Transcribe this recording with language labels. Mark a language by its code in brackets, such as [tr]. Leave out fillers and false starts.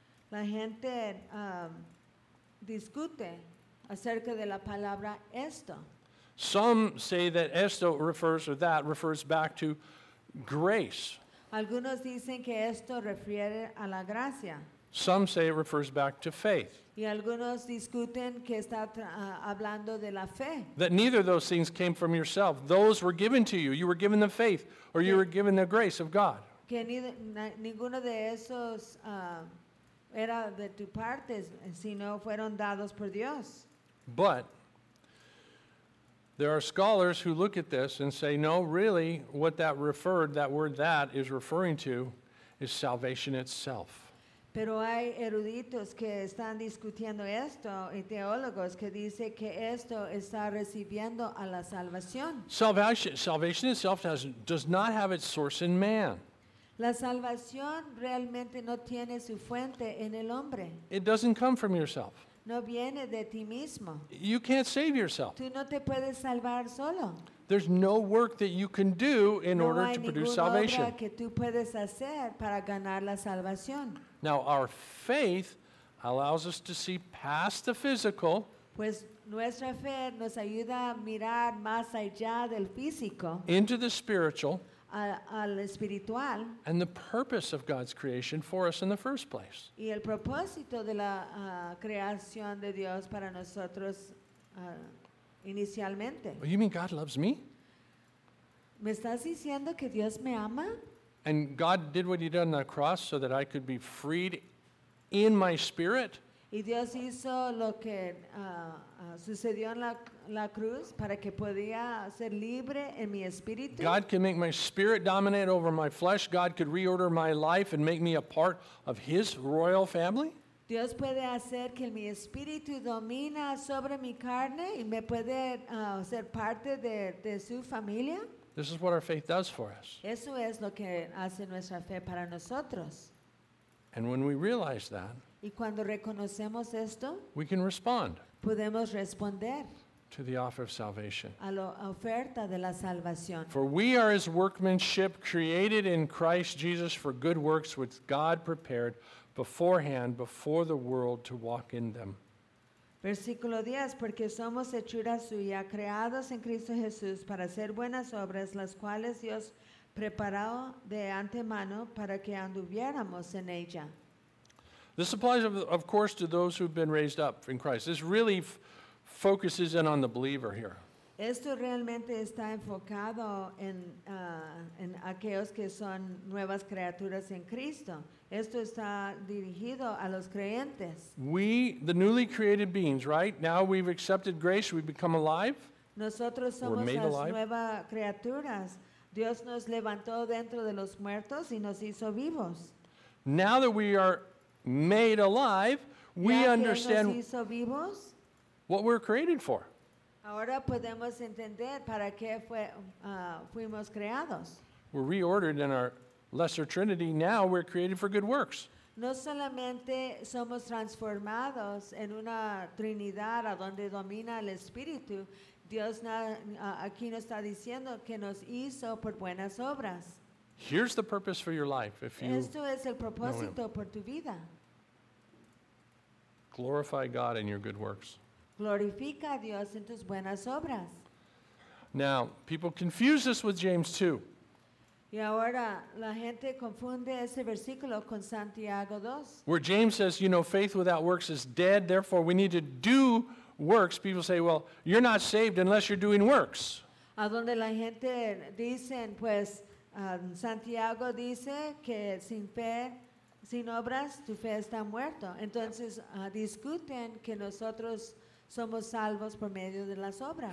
[es] La gente discute acerca de la palabra esto. [en] Some say that esto refers, or that refers back to grace. [es] Algunos dicen que esto refiere a la gracia. [en] Some say it refers back to faith. [es] Y algunos discuten que está hablando de la fe. [en] That neither of those things came from yourself. Those were given to you. You were given the faith, or you were given the grace of God. [es] Que ninguno de esos era de tu parte, sino fueron dados por Dios. [en] But there are scholars who look at this and say, no, really, what that referred, that word that is referring to, is salvation itself. [es] Pero hay eruditos que están discutiendo esto, y teólogos que dice que esto está recibiendo a la salvación. [en] Salvation itself does not have its source in man. [es] La salvación realmente no tiene su fuente en el hombre. [en] It doesn't come from yourself. [es] No viene de ti mismo. [en] You can't save yourself. [es] Tú no te puedes salvar solo. [en] There's no work that you can do in order to produce salvation. [es] No hay ninguna obra que tú puedes hacer para ganar la salvación. [en] Now, our faith allows us to see past the physical. [es] Pues nuestra fe nos ayuda a mirar más allá del físico. [en] Into the spiritual. [es] Al espiritual, [en] and the purpose of God's creation for us in the first place. [es] Y el propósito de la creación de Dios para nosotros inicialmente. [en] Well, you mean God loves me? [es] ¿Me estás diciendo que Dios me ama? [en] And God did what he did on the cross so that I could be freed in my spirit. [es] Y Dios hizo lo que sucedió en la cruz para que podía ser libre en mi espíritu. [en] God can make my spirit dominate over my flesh. God could reorder my life and make me a part of his royal family. [es] Dios puede hacer que mi espíritu domina sobre mi carne y me puede ser parte de su familia. [en] This is what our faith does for us. [es] Eso es lo que hace nuestra fe para nosotros. [en] And when we realize that, [es] y cuando reconocemos esto, [en] we can respond, [es] podemos responder, [en] to the offer of salvation. [es] A la oferta de la salvación. [en] For we are his workmanship, created in Christ Jesus for good works, which God prepared beforehand, before the world, to walk in them. [es] Versículo 10, porque somos hechura suya, creados en Cristo Jesús para hacer buenas obras, las cuales Dios preparó de antemano para que anduviéramos en ella. [en] This applies, of course, to those who've been raised up in Christ. This really focuses in on the believer here. [es] Esto realmente está enfocado en aquellos que son nuevas criaturas en Cristo. Esto está dirigido a los creyentes. [en] We, the newly created beings, right? Now we've accepted grace, we've become alive. [es] Nosotros somos las nuevas criaturas. Dios nos levantó dentro de los muertos y nos hizo vivos. [en] Now that we are made alive, we understand [es] vivos, [en] what we're created for. [es] Ahora podemos entender para qué fuimos creados. [en] We're reordered in our lesser trinity. Now we're created for good works. [es] No solamente somos transformados en una trinidad a donde domina el espíritu. Dios aquí nos está diciendo que nos hizo por buenas obras. [en] Here's the purpose for your life. If you [es] esto es el propósito por tu vida. [en] Glorify God in your good works. [es] Glorifica a Dios en tus buenas obras. [en] Now, people confuse this with James 2. [es] Y ahora la gente confunde ese versículo con Santiago 2. [en] Where James says, you know, faith without works is dead, therefore we need to do works. People say, well, you're not saved unless you're doing works. [es] A donde la gente dicen, pues, Santiago dice que sin fe, sin obras, tu fe está muerto. Entonces, discuten que nosotros somos salvos por medio de las obras.